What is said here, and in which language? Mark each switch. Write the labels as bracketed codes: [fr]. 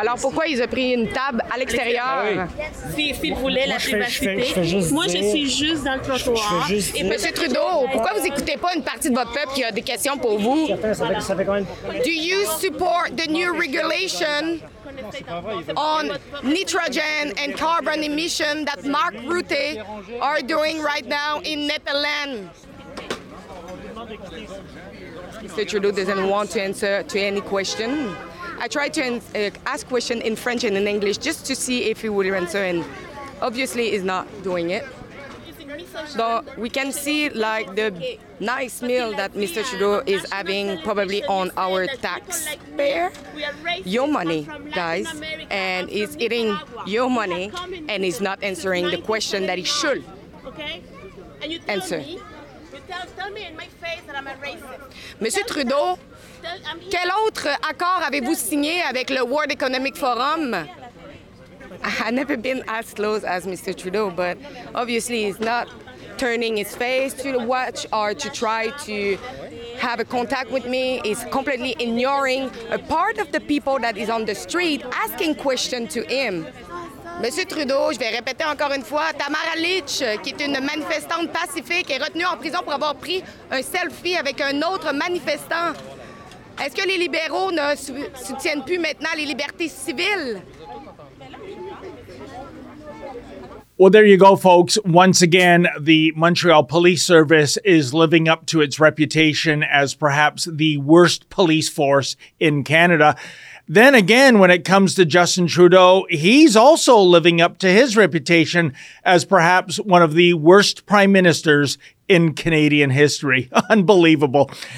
[fr] Alors, pourquoi ils ont pris une table à l'extérieur? S'ils voulaient la privacité. Moi, je suis juste dans le trottoir. Monsieur Trudeau, pourquoi vous n'écoutez pas une partie de votre peuple qui a des questions pour vous? [en] Do you support the new regulation on nitrogen and carbon emission that Mark Rutte are doing right now in Netherlands? Mr. Trudeau doesn't want to answer to any question. I tried to ask question in French and in English just to see if he would answer, and obviously he's not doing it. So we can see like the nice meal that Mr. Trudeau is having probably on our taxpayer, your money, guys, and he's eating your money and he's not answering the question that he should answer. [fr] Monsieur Trudeau, quel autre accord avez-vous signé avec le World Economic Forum? [en] I've never been as close as Mr. Trudeau, but obviously he's not turning his face to watch or to try to have a contact with me. He's completely ignoring a part of the people that is on the street asking questions to him. [fr] Monsieur Trudeau, je vais répéter encore une fois, Tamara Leach, qui est une manifestante pacifique, est retenue en prison pour avoir pris un selfie avec un autre manifestant. Est-ce que les libéraux ne soutiennent plus maintenant les libertés civiles? [en] Well, there you go, folks. Once again, the Montreal Police Service is living up to its reputation as perhaps the worst police force in Canada. Then again, when it comes to Justin Trudeau, he's also living up to his reputation as perhaps one of the worst prime ministers in Canadian history. Unbelievable.